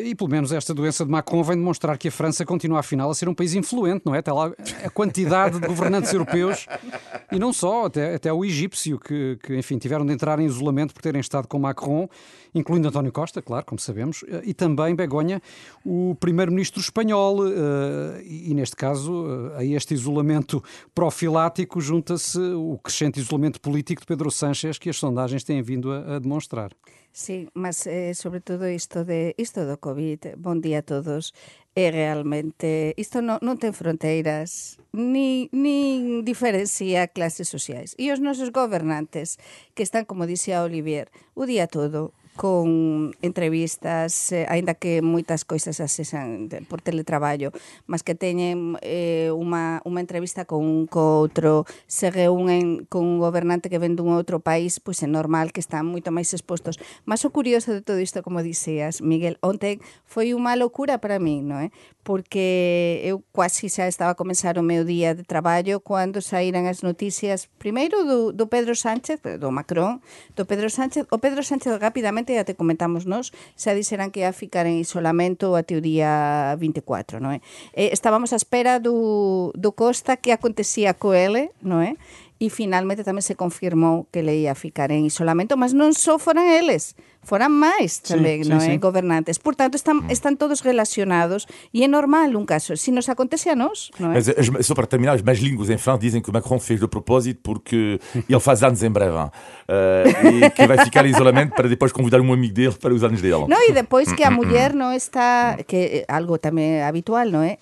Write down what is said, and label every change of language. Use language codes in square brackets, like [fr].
[pt] E pelo menos esta doença de Macron vem demonstrar que a França continua, afinal, a ser um país influente, não é? Até lá, a quantidade de governantes europeus, e não só, até o egípcio, que enfim, tiveram de entrar em isolamento por terem estado com Macron, incluindo António Costa, claro, como sabemos, e também, Begonha, o primeiro-ministro espanhol, e neste caso, a este isolamento profilático, junta-se o crescente isolamento político de Pedro Sánchez, que as sondagens têm vindo a demonstrar. [gl] Sí, mas sobre todo isto do COVID, bom dia a todos, é realmente, isto non ten fronteiras, nin diferencia clases sociais. E os nosos governantes, que están, como dixía Olivier, o día todo, con entrevistas, ainda que moitas coisas asesan por teletraballo, mas que teñen unha entrevista con un co outro, se reúnen con un gobernante que ven dun outro país, pois é normal que están moito máis expostos. Mas o curioso de todo isto, como dixías, Miguel, ontem foi unha locura para mí, non é? Porque eu quasi xa estaba a comenzar o meu día de traballo cando saíran as noticias, primeiro do Pedro Sánchez, do Macron, do Pedro Sánchez, o Pedro Sánchez rápida já te comentamos nós, xa dixeran que ia ficar en isolamento até o día 24, non é? Estábamos á espera do Costa que acontecía co ele, non é? E finalmente tamén se confirmou que ele ia ficar en isolamento, mas non só foran eles, foran máis tamén, sí, non sí, é? Sí. Governantes. Portanto, están todos relacionados e é normal un caso. Se nos acontece a nós, non é? [pt] Mas, só para terminar, as más línguas em França dizem que o Macron fez de propósito porque ele faz anos em breve. E que vai ficar em isolamento para depois convidar um amigo dele para os anos dele. Não, e depois que a mulher não está, que é algo também habitual, não é?